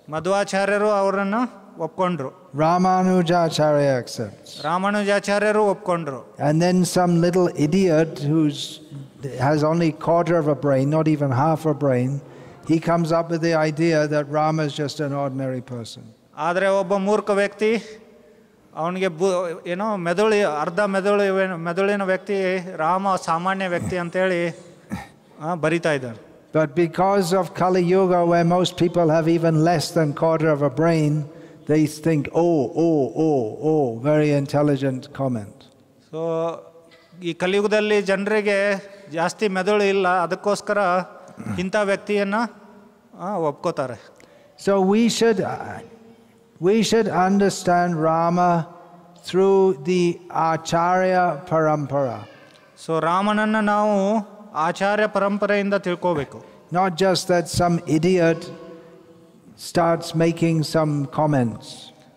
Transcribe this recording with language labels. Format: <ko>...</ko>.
<kn>Madhvacharya ro avaranna oppkondru.</kn> <en>Ramanujacharya accepts.</en> <kn>Ramanujacharya ro oppkondru.</kn> <en>And then some little idiot who's has only quarter of a brain, not even half a brain, he comes up with the idea that Rama is just an ordinary person.</en> <kn>ಆದರೆ ಒಬ್ಬ ಮೂರ್ಖ ವ್ಯಕ್ತಿ ಅವನಿಗೆ ಏನೋ ಮೆದುಳು ಅರ್ಧ ಮೆದುಳು ಮೆದುಳಿನ ವ್ಯಕ್ತಿ ರಾಮ ಸಾಮಾನ್ಯ ವ್ಯಕ್ತಿ ಅಂತೇಳಿ ಬರೀತಾ ಇದ್ದಾರೆ.</kn> <en>But because of Kali Yuga, where most people have even less than quarter of a brain, they think, oh, very intelligent comment.</en> <kn>So, ಈ ಕಲಿಯುಗದಲ್ಲಿ ಜನರಿಗೆ ಜಾಸ್ತಿ ಮೆದುಳು ಇಲ್ಲ, ಅದಕ್ಕೋಸ್ಕರ ಇಂಥ ವ್ಯಕ್ತಿಯನ್ನು ಒಪ್ಕೋತಾರೆ.</kn> <en>So we should understand Rama through the Acharya Parampara.</en> <kn>So Ramananna naavu Acharya Parampara inda tilkobeku.</kn> <en>Not just that some idiot starts making some comments.</en>